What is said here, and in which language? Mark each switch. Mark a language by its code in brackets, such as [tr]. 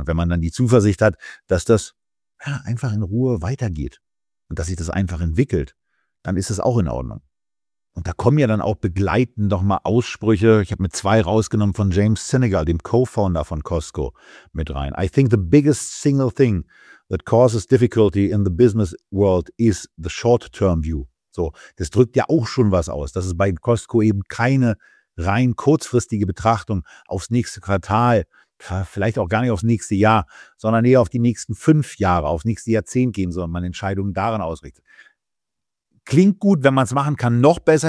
[de] Und wenn man dann die Zuversicht hat, dass das ja, einfach in Ruhe weitergeht und dass sich das einfach entwickelt, dann ist das auch in Ordnung. Und da kommen ja dann auch begleitend nochmal Aussprüche. Ich habe mir zwei rausgenommen von James Senegal, dem Co-Founder von Costco, mit rein. [en] I think the biggest single thing that causes difficulty in the business world is the short-term view. [de] So, das drückt ja auch schon was aus, dass es bei Costco eben keine rein kurzfristige Betrachtung aufs nächste Quartal, vielleicht auch gar nicht aufs nächste Jahr, sondern eher auf die nächsten 5 Jahre, aufs nächste Jahrzehnt gehen, sondern man Entscheidungen daran ausrichtet. Klingt gut, wenn man es machen kann, noch besser.